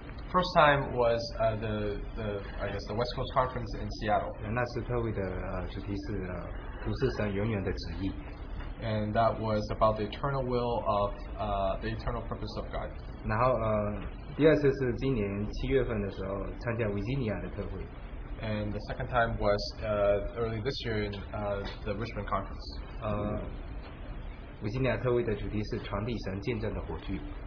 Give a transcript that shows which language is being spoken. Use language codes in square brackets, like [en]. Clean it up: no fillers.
[en] First time was the West Coast Conference in Seattle. [zh] 那次特会的主题是不是神永远的旨意。 [en] And that was about the eternal will of the eternal purpose of God. [zh] 然后第二次是今年七月份的时候参加维吉尼亚的特会。 [en] And the second time was early this year in the Richmond Conference. [zh] 维吉尼亚特会的主题是传递神见证的火炬。